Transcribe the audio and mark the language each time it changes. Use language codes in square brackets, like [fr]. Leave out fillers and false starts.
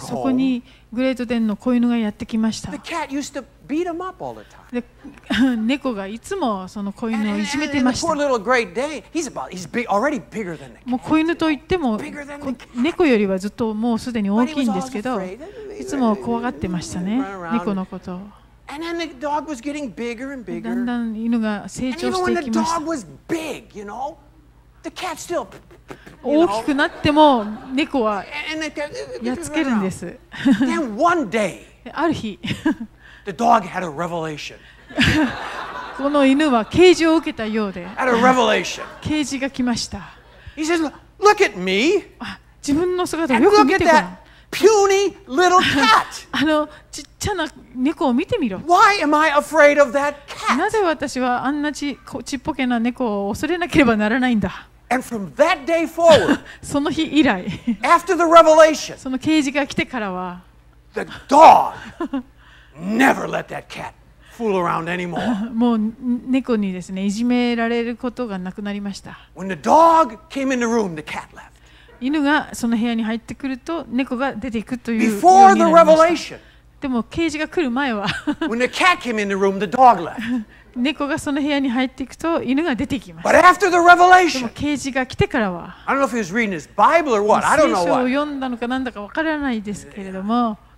[ja] そこにグレートデンの子犬がやってきました。 [en] The cat used to beat him up all the time. [ja] で猫がいつもその子犬をいじめていました。 [en] And the poor little Great Dane, he's big, already bigger than the cat. [ja] もう子犬といっても猫よりはずっともうすでに大きいんですけど、いつも怖がってましたね、猫のことを。 [en] And then the dog was getting bigger and bigger. [ja] だんだん犬が成長していきました。 [en] And even when the dog was big, you know, the cat still, you know. [ja] 大きくなっても猫はやっつけるんです。 [en] Then one day, [ja] ある日。 [en] The dog had a revelation. [ja] この犬は啓示を受けたようで。 [en] Had a revelation. [ja] 啓示が来ました。 [en] He says, "Look at me." [ja] 自分の姿をよく見てごらん。 [en] And look at that puny little cat. [ja] あのちっちゃな猫を見てみろ。 [en] Why am I afraid of that cat? [ja] なぜ私はあんなちっぽけな猫を恐れなければならないんだ。 [en] And from that day forward. [ja] その日以来。 [en] After the revelation. [ja] その啓示が来てからは。 [en] The dog. Never let that cat fool around anymore. [ja] もう猫にですね、いじめられることがなくなりました。 [en] When the dog came in the room, the cat left. [ja] 犬がその部屋に入ってくると、猫が出ていくというようになりました。 [en] Before the revelation. [ja] でも啓示が来る前は。 [en] When the cat came in the room, the dog left. [ja] 猫がその部屋に入っていくと、犬が出てきます。 [en] But after the revelation. [ja] でも啓示が来てからは。 [en] I don't know if he was reading his Bible or what. I don't know what. [ja] 聖書を読んだのか何だか分からないですけれども。